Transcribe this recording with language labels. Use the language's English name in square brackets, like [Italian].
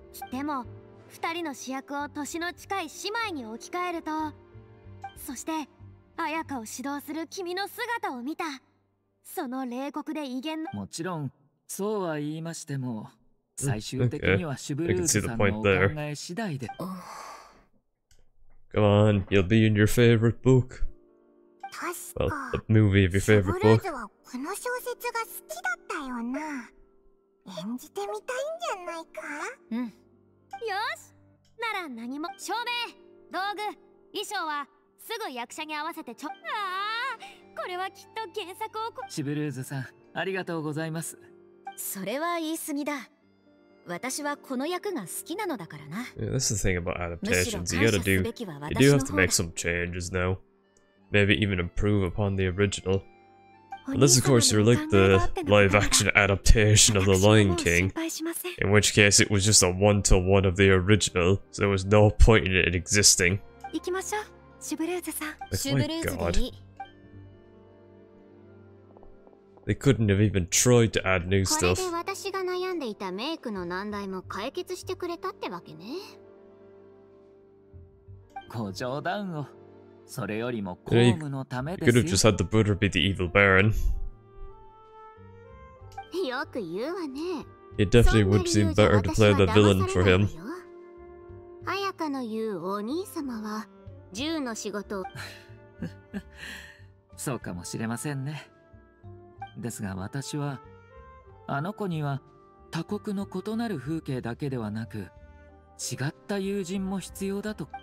[Japanese] でも二人の主役を年の近い姉妹に置き換えると、そして綾香を指導する君の姿を見た。その冷酷で威厳の、もちろんそうは言いましても、最終的にはシュブルーズさんのお考え次第で。 [English] Come on, you'll be in your favorite book. [Japanese] 確か、 [English] well, the movie of your favorite book. [Japanese] シュブルーズはこの小説が好きだったよな。演じてみたいんじゃないか。よし、なら何も。照明、道具、衣装はすぐ役者に合わせて。ちょ、これはきっと原作を。シュブルーズさん、ありがとうございます。それは言い過ぎだ。私はこの役が好きなのだからな。 [English] Yeah, this is the thing about adaptations. You gotta do. You do have to make some changes now. Maybe even improve upon the original. Unless, of course, you're like the live action adaptation of The Lion King. In which case, it was just a one to one of the original, so there was no point in it existing. Oh my god. They couldn't have even tried to add new stuff. [Japanese] これで私が悩んでいたメイクの難題も解決してくれたってわけね。ご冗談を。それよりも公務のためですよ。 [English] You could have just had the Buddha be the evil baron. [Japanese] よく言うわね。 [English] It definitely would seem better to play the villain for him. [Japanese] あやかの言うお兄様は銃の仕事を。そうかもしれませんね。ですが私は、あの子には他国の異なる風景だけではなく違った友人も必要だと。